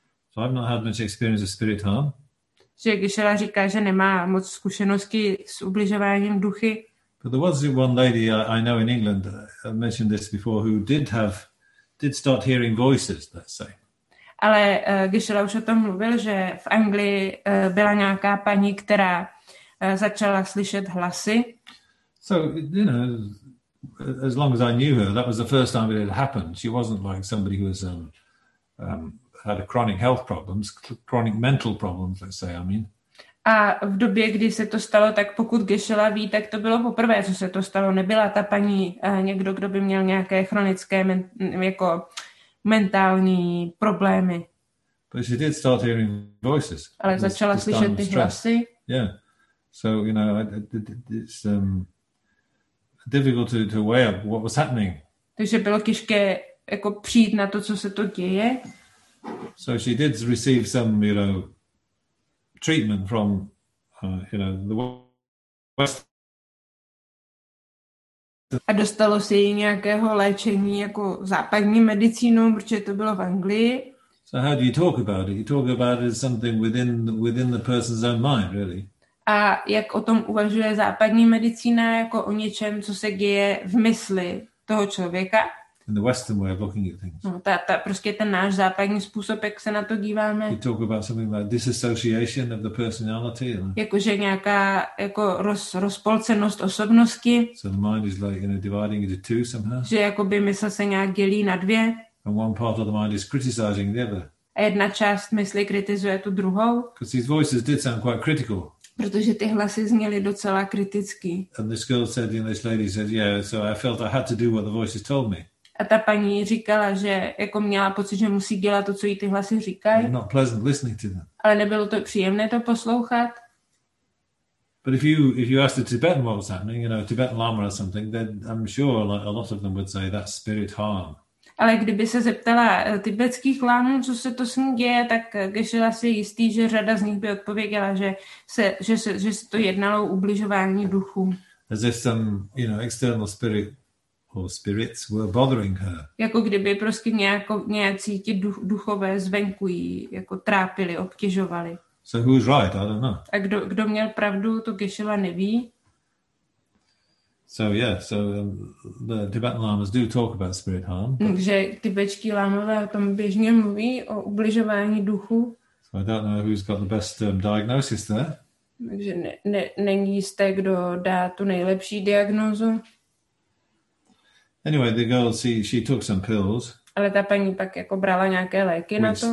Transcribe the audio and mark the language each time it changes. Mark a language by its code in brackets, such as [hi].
[en] So I've not had much experience of spirit harm. [cs] Že Gishala říká, že nemá moc zkušenosti s ubližováním duchy. [en] But there was one lady I know in England, I mentioned this before, who did start hearing voices, let's say. [cs] Ale Gishala už o tom mluvil, že v Anglii byla nějaká paní, která začala slyšet hlasy. [en] So, you know, as long as I knew her, that was the first time it had happened. She wasn't like somebody who was had a chronic health problems, chronic mental problems, let's say, I mean. [cs] A v době, kdy se to stalo, tak pokud Geshe-la ví, tak to bylo poprvé, co se to stalo. Nebyla ta paní někdo, kdo by měl nějaké chronické jako mentální problémy. [en] But she did start hearing voices. [cs] Ale začala slyšet ty hlasy. [en] Yeah. So, you know, it's difficult to weigh up what was happening. [cs] Takže bylo těžké jako přijít na to, co se to děje. [en] So she did receive some, you know, treatment from, you know, the West. [cs] A dostalo se jí nějakého léčení jako západní medicínou, protože to bylo v Anglii. [en] So how do you talk about it? You talk about it as something within the person's own mind, really. [cs] A jak o tom uvažuje západní medicína, jako o něčem, co se děje v mysli toho člověka? [en] In the Western way of looking at things. [cs] No, ta prostě ten náš západní způsob, jak se na to díváme. [en] You talk about something like disassociation of the personality. [cs] Jakože nějaká jako rozpolcenost osobnosti. [en] So the mind is like, you know, dividing into two somehow. [cs] Že jakoby mysl se nějak dělí na dvě. [en] And one part of the mind is criticizing the other. [cs] A jedna část mysli kritizuje tu druhou. [en] Because these voices did sound quite critical. [cs] Protože ty hlasy zněly docela kriticky. [en] And this girl said, and this lady said, yeah, so I felt I had to do what the voices told me. [cs] A ta paní říkala, že jako měla pocit, že musí dělat to, co jí ty hlasy říkají. [en] Not pleasant listening to them. [cs] Ale nebylo to příjemné to poslouchat. [en] But if you asked a Tibetan what was happening, you know, a Tibetan lama or something, then I'm sure a lot of them would say that's spirit harm. [cs] Ale kdyby se zeptala tibetských lámů, co se to s ní děje, tak Geshe-la si jistý, že řada z nich by odpověděla, že se to jednalo o ubližování duchu. [en] As if some, you know, external spirit or spirits were bothering her. [cs] Jako kdyby prostě nějací ti duchové zvenku jí jako trápili, obtěžovali. [en] So who's right? I don't know. [cs] A kdo měl pravdu, to Geshe-la neví. [en] So yeah, so the Tibetan lamas do talk about spirit harm. [cs] Takže tibetští lámové o tom běžně mluví, o ubližování duchu. [en] So I don't know who's got the best diagnosis there. [cs] Takže není jisté, kdo dá tu nejlepší diagnózu. [en] Anyway, the girl, she took some pills. [cs] Ale ta paní pak jako brala nějaké léky na to.